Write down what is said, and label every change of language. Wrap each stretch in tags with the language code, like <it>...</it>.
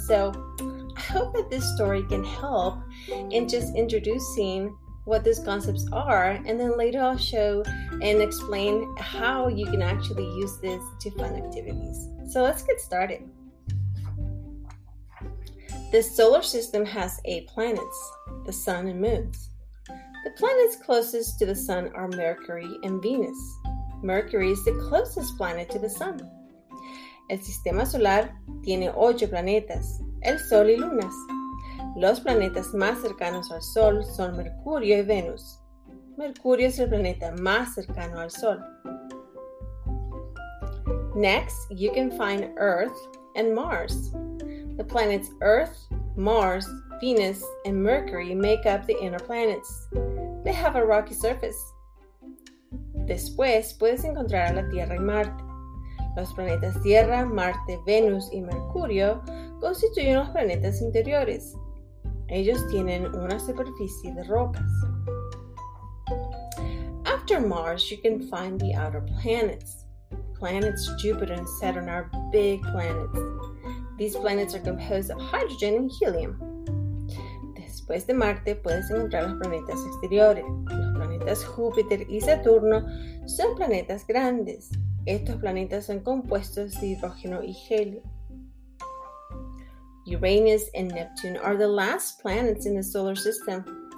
<en>So I hope that this story can help in just introducing what these concepts are, and then later I'll show and explain how you can actually use this to fun activities. So let's get started. The solar system has 8 planets, the sun and moons. The planets closest to the sun are Mercury and Venus. Mercury is the closest planet to the sun.</en> <es>El sistema solar tiene 8 planetas, el sol y lunas. Los planetas más cercanos al sol son Mercurio y Venus. Mercurio es el planeta más cercano al sol.</es> <en>Next, you can find Earth and Mars. The planets Earth, Mars, Venus, and Mercury make up the inner planets. They have a rocky surface.</en> <es>Después, puedes encontrar a la Tierra y Marte. Los planetas Tierra, Marte, Venus y Mercurio constituyen los planetas interiores. Ellos tienen una superficie de rocas.</es> <en>After Mars, you can find the outer planets. Planets Jupiter and Saturn are big planets. These planets are composed of hydrogen and helium.</en> <es>Después de Marte, puedes encontrar los planetas exteriores. Los planetas Júpiter y Saturno son planetas grandes. Estos planetas son compuestos de hidrógeno y helio.</es> <en>Uranus and Neptune are the last planets in the solar system.</en>